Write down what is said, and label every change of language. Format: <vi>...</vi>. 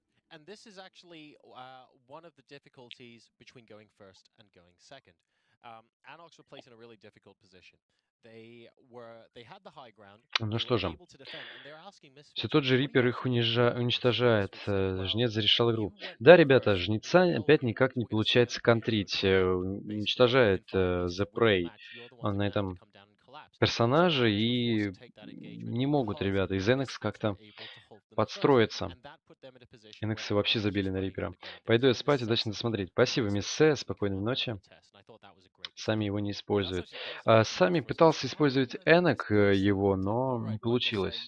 <en>And this is actually one of the difficulties between going first and going second. Anox were placed in a really difficult position. They had the high ground.</en> <ru>Ну что же, все тот же Рипер их уничтожает. Жнец зарешал игру. Да, ребята, Жнеца опять никак не получается контрить. Уничтожает The Prey. Он на этом персонаже, и не могут ребята из NX как-то подстроиться. Эннексы вообще забили на Рипера. Пойду я спать, удачно досмотреть. Спасибо, мисс С, спокойной ночи. Сами его не используют. Сами пытался использовать Эннек его, но не получилось.</ru>